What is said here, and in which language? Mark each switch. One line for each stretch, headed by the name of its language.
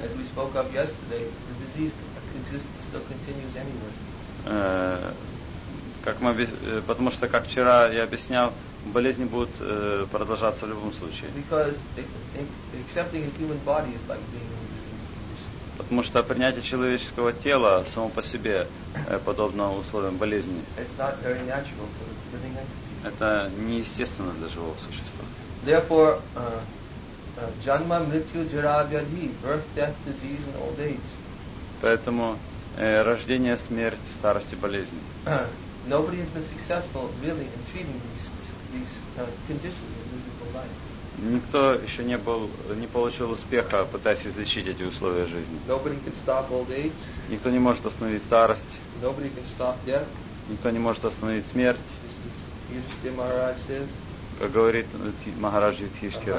English: As we spoke of yesterday, the disease exists, still continues anyways.
Russian: Потому что, как вчера я объяснял, болезни будут продолжаться в любом случае.
English: Because accepting a human body is like being in a disease condition.
Russian: Потому что принятие человеческого тела само по себе подобно условиям болезни.
English: It's not very natural for the living entity.
Russian: Это неестественно для живого существа.
English: Therefore, janma, mrityu, jara, vyadhi, birth, death, disease, and old age.
Russian: Поэтому рождение, смерть, старость и болезнь.
English: Nobody has been successful really in treating these conditions of physical life.
Russian: Никто еще не получил успеха, пытаясь излечить эти условия жизни.
English: Nobody can stop old age.
Russian: Никто не может остановить старость.
English: Nobody can stop death.
Russian: Никто не может остановить смерть.
English: Юдхиштхира Махарадж says.
Russian: Как говорит Махарадж Юдхиштхира.